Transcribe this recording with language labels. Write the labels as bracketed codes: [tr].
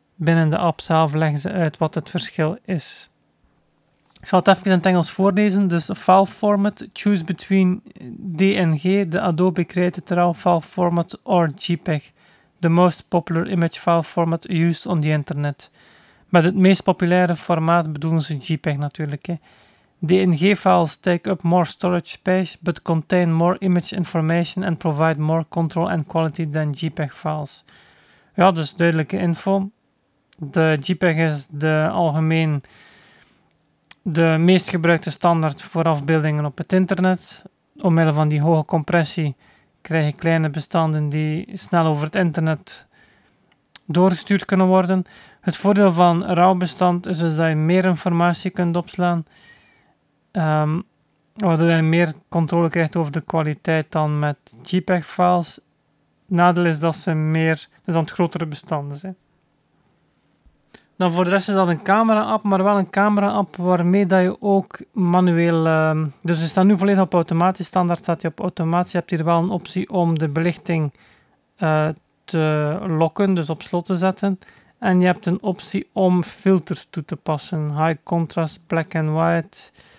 [nl] Binnen de app zelf leggen ze uit wat het verschil is. Ik zal het even in het Engels voorlezen. [en] Dus file format, choose between DNG, the Adobe Creative RAW file format, or JPEG. The most popular image file format used on the internet. [nl] Met het meest populaire formaat bedoelen ze JPEG natuurlijk. Hè. [en] DNG files take up more storage space, but contain more image information and provide more control and quality than JPEG files. [nl] Ja, dus duidelijke info. De JPEG is de algemeen... de meest gebruikte standaard voor afbeeldingen op het internet. Omwille van die hoge compressie krijg je kleine bestanden die snel over het internet doorgestuurd kunnen worden. Het voordeel van RAW-bestand is dus dat je meer informatie kunt opslaan, waardoor je meer controle krijgt over de kwaliteit dan met JPEG-files. Nadeel is dat ze meer dan het grotere bestanden zijn. Dan voor de rest is dat een camera-app, maar wel een camera-app waarmee dat je ook manueel... dus we staan nu volledig op automatisch. Standaard staat je op automatisch. Je hebt hier wel een optie om de belichting te lokken, dus op slot te zetten. En je hebt een optie om filters toe te passen. [en] High contrast, black and white.